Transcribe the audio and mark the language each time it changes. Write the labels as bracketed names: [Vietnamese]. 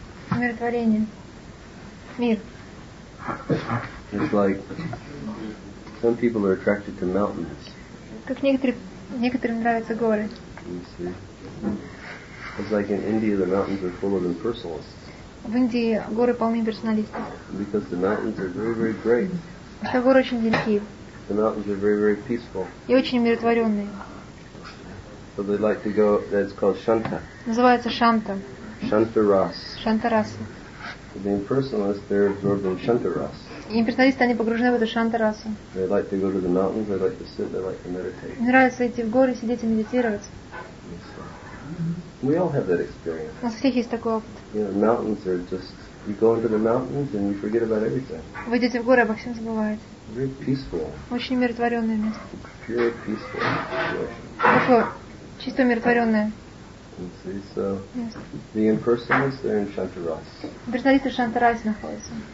[Russian] Умиротворение. Мир. [English] It's like some people are attracted to mountains. [Russian] Как некоторым нравятся горы. [English] It's like in India the mountains are full of impersonalists. [Russian] В Индии горы полны персоналистов. [English] Because the mountains are very, very great. [Russian] Что горы очень великие. [English] The mountains are very, very peaceful. [Russian] И очень умиротворенные. [English] So they like to go. That's called Shanta. [Russian] Называется Шанта. Шантарас. Шантарасы. [English] So the impersonalists, they're absorbed in Шантарас. [Russian] И персоналисты, они погружены в эту Шантарасу. [English] They like to go to the mountains. They like to sit. They like to meditate. [Russian] Им нравится идти в горы, сидеть и медитировать. [English] We all have that experience. [Russian] У нас всех есть такой опыт. [English] You know, mountains are just, you go into the mountains and you forget about everything. [Russian] Вы идете в горы, обо всем забываете. [English] Very peaceful. [Russian] Очень умиротворенное место. [English] Pure, peaceful situation. [Russian] Чисто умиротворенное. [English] So, the impersonalists, they're in Shantaras. [Russian] Персоналисты в Шантарасе находятся.